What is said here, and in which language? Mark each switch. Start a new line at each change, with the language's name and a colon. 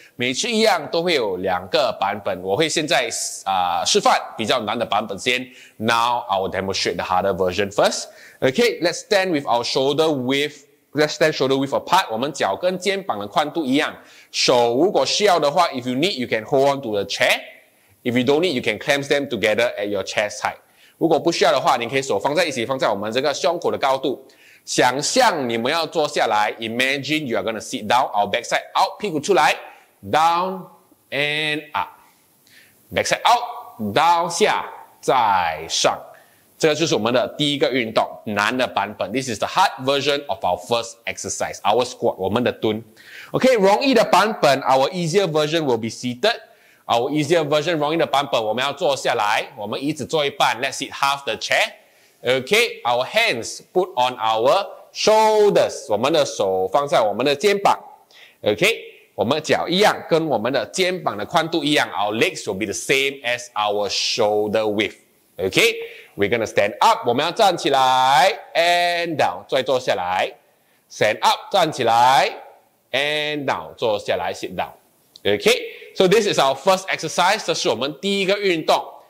Chinese: 每次一样都会有两个版本。我会现在示范比较难的版本先。
English: Now I will demonstrate the harder version first. Okay, let's stand with our shoulder width. Let's stand shoulder width apart.
Chinese: 我们脚跟肩膀的宽度一样。手如果需要的话
English: ，if you need, you can hold on to the chair. If you don't need, you can clamp them together at your chest height.
Chinese: 如果不需要的话，你可以手放在一起，放在我们这个胸口的高度。想象你们要坐下来
English: ，Imagine you are going to sit down. Our backside out,
Chinese: 屁股出来
English: ，down and up. Backside out, down
Chinese: 下再上。这个就是我们的第一个运动，难的版本。
English: This is the hard version of our first exercise, our squat,
Chinese: 我们的蹲。
English: OK,
Chinese: 容易的版本
English: ，our easier version will be seated. Our easier version,
Chinese: 容易的版本，我们要坐下来，我们椅子坐一半 ，
English: Let's sit half the chair. Okay, our hands put on our shoulders.
Chinese: 我们的手放在我们的肩膀。Okay, 我们脚一样，跟我们的肩膀的宽度一样。
English: Our legs will be the same as our shoulder width. Okay, we're gonna stand up.
Chinese: 我们要站起来
English: ，and down，
Chinese: 再坐下来。
English: Stand up，
Chinese: 站起来
English: ，and down，
Chinese: 坐下来
English: ，sit down. Okay, so this is our first exercise.
Chinese: 这是我们第一个运动。